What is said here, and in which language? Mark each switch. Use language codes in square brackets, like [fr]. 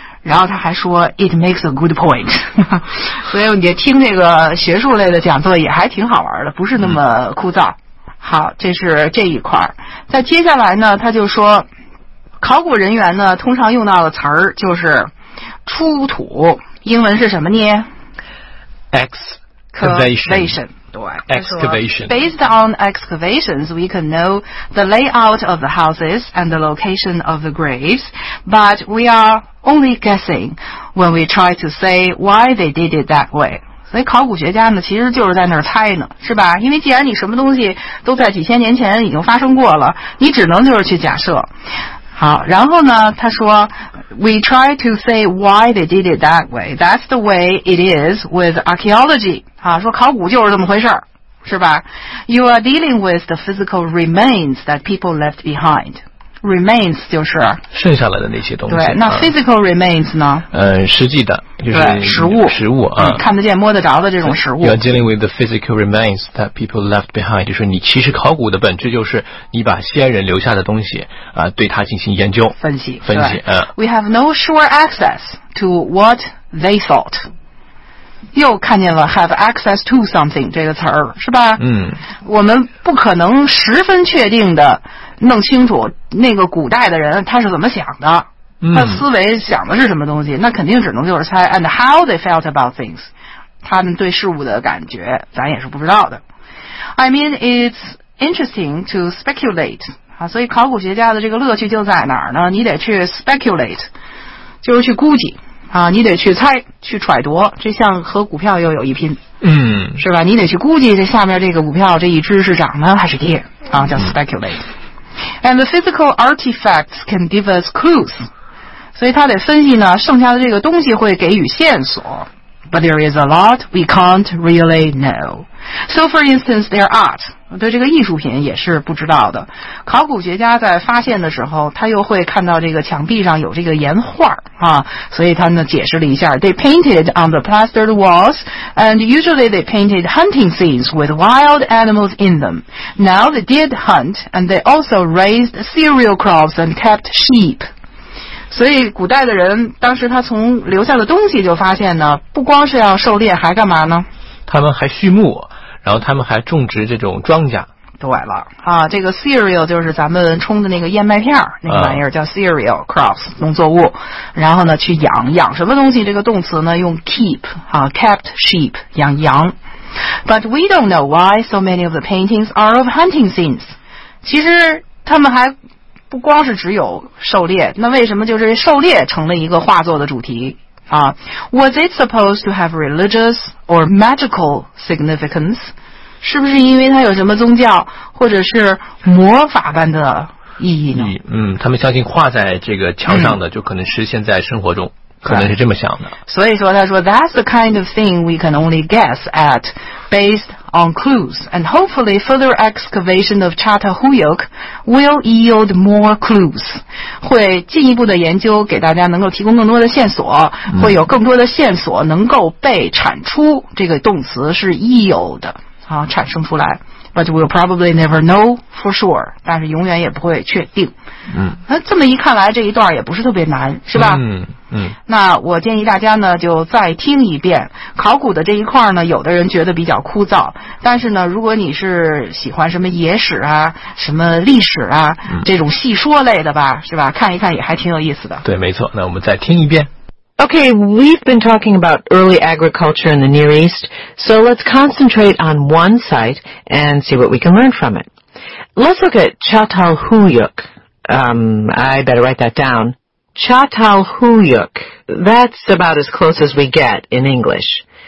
[zh] 然后他还说 [en] it makes a good point， [zh] 所以你听这个学术类的讲座也还挺好玩的，不是那么枯燥。好，这是这一块。再接下来呢，他就说考古人员呢通常用到的词儿就是出土，英文是什么呢？ [en] excavation。 Excavation. Based on excavations, we can know the layout of the houses and the location of the graves, but we are only guessing when we try to say why they did it that way. [zh] 所以考古学家呢，其实就是在那儿猜呢，是吧？因为既然你什么东西都在几千年前已经发生过了，你只能就是去假设。好，然后呢，他说 [en] we try to say why they did it that way. That's the way it is with archaeology. [zh] 啊，说考古就是这么回事，是吧？ [en] You are dealing with the physical remains that people left behind. [zh] Remains 就是剩下来的那些东西。对，那 physical remains 呢？实际的，就是实物啊，看得见摸得着的这种实物。 [en] You are dealing with the physical remains that people left behind. [zh] 就是你其实考古的本质就是你把先人留下的东西啊，对它进行研究分析。嗯。 [en] We have no sure access to what they thought. [zh] 又看见了 [en] have access to something [zh] 这个词儿，是吧？嗯，我们不可能十分确定的弄清楚那个古代的人他是怎么想的，他思维想的是什么东西，那肯定只能就是猜。 [en] And how they felt about things， [zh] 他们对事物的感觉咱也是不知道的。 [en] I mean it's interesting to speculate、 [zh] 啊、所以考古学家的这个乐趣就在哪儿呢？你得去 speculate， 就是去估计啊，你得去猜，去揣度，这像和股票又有一拼，嗯，是吧？你得去估计这下面这个股票这一只是涨呢还是跌啊，叫 speculate、嗯。 [en] And the physical artifacts can give us clues， [zh] 所以他得分析呢，剩下的这个东西会给予线索。 [en] But there is a lot we can't really know. So, for instance, their art， [zh] 对这个艺术品也是不知道的。考古学家在发现的时候，他又会看到这个墙壁上有这个岩画啊，所以他呢解释了一下 ， [en] They painted on the plastered walls, and usually they painted hunting scenes with wild animals in them. Now they did hunt, and they also raised cereal crops and kept sheep. [zh] 所以古代的人当时他从留下的东西就发现呢，不光是要狩猎还干嘛呢？他们还畜牧，然后他们还种植这种庄稼。对了啊，这个 cereal 就是咱们冲的那个燕麦片，那个玩意儿叫 cereal crops 农作物。然后呢去养，养什么东西，这个动词呢用 keep 啊， kept sheep 养羊。 [en] But we don't know why so many of the paintings are of hunting scenes. [zh] 其实他们还不光是只有狩猎，那为什么就是狩猎成了一个画作的主题啊？ [en] Was it supposed to have religious or magical significance? [zh] 是不是因为它有什么宗教或者是魔法般的意义呢？嗯，他们相信画在这个墙上的就可能实现在生活中、嗯、可能是这么想的。所以说他说 [en] That's the kind of thing we can only guess at based on clues, and hopefully further excavation of Chattahoochee will yield more clues. [zh] 会进一步的研究给大家能够提供更多的线索，会有更多的线索能够被产出，这个动词是 yield 啊，产生出来。 [en] But we'll probably never know for sure. [zh] 但是永远也不会确定。嗯，那这么一看来，这一段也不是特别难，是吧？嗯嗯。那我建议大家呢，就再听一遍考古的这一块呢。有的人觉得比较枯燥，但是呢，如果你是喜欢什么野史啊、什么历史啊、嗯、这种细说类的吧，是吧？看一看也还挺有意思的。对，没错。那我们再听一遍。 [en] Okay, we've been talking about early agriculture in the Near East, so let's concentrate on one site and see what we can learn from it. Let's look at Chattahoochee. I better write that down. Chattahoochee. That's about as close as we get in English.